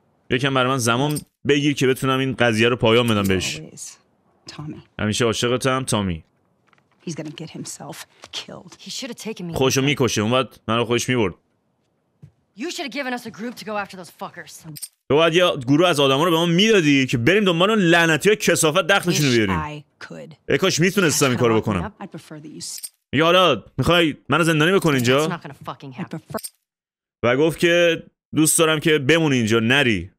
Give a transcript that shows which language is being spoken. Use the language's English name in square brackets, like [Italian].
[Persian] یکم برای من زمان بگیر که بتونم این قضیه رو پایان بدم بهش. همیشه عاشقتم تامی. [English] He's gonna get himself killed. He should have taken me. [Persian] خوشو میکشه. اون وقت منو خوش میبرد. [English] You should have given us a group to go after those fuckers. [Persian] تو باید یه گروه از آدم ها رو به ما میدادی که بریم دنبال اون لعنتی های کسافت دخلشون رو بیاریم. ای کاش میتونستم این کارو بکنم. میگه حالا میخوای منو زندانی بکنی اینجا؟ و گفت که دوست دارم که بمونی اینجا نری.